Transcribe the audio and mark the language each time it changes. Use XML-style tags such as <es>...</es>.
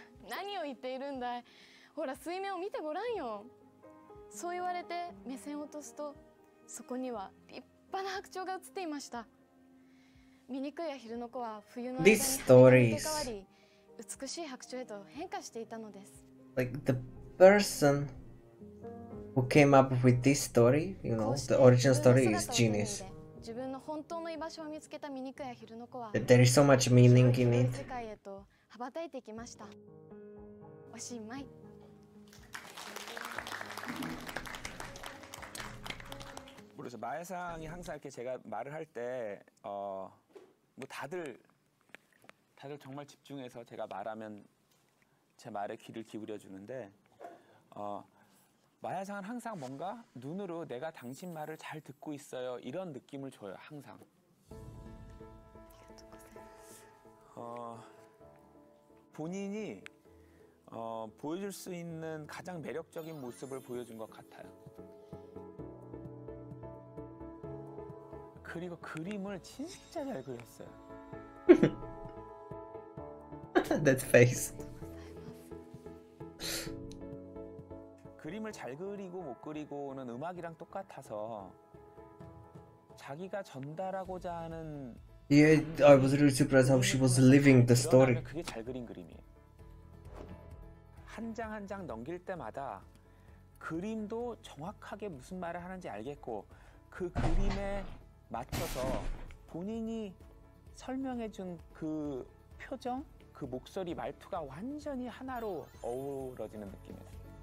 <ja>何を言っているんだい。ほら、水面を見てごらんよ。そう言われて目線を落とすと、そこには立派な白鳥が映っていました。醜いアヒルの子は冬の間に生まれ変わり、</ja> <en>This story is...</en> <ja>美しい白鳥へと変化していたのです。</ja> <en>Like the person who came up with this story, you know, the original story is genius.</en> <ja>自分の本当の居場所を見つけた醜いアヒルの子は、</ja> <en>There is so much meaning in it.</en> <ja>羽ばたいていきました。おしまい。</ja> <ko>마예상이 항상 이렇게 제가 말을 할 때 뭐 다들 정말 집중해서 제가 말하면 제 말에 귀를 기울여 주는데 마예상은 항상 뭔가 눈으로 내가 당신 말을 잘 듣고 있어요 이런 느낌을 줘요 항상. 본인이 보여줄 수 있는 가장 매력적인 모습을 보여준 것 같아요. 그리고 그림을 진짜 잘 그렸어요.</ko> <en>That face.</en> <ko>그림을 잘 그리고 못 그리고는 음악이랑 똑같아서 자기가 전달하고자 하는</ko> <en>Yeah, I was really surprised how she was living the story.</en> <ko>그게 잘 그린 그림이에요. 한 장 한 장 넘길 때마다 그림도 정확하게 무슨 말을 하는지 알겠고 그 그림에 맞춰서 본인이 설명해 준 그 표정, 그 목소리, 말투가 완전히 하나로 어우러지는 느낌이에요.</ko>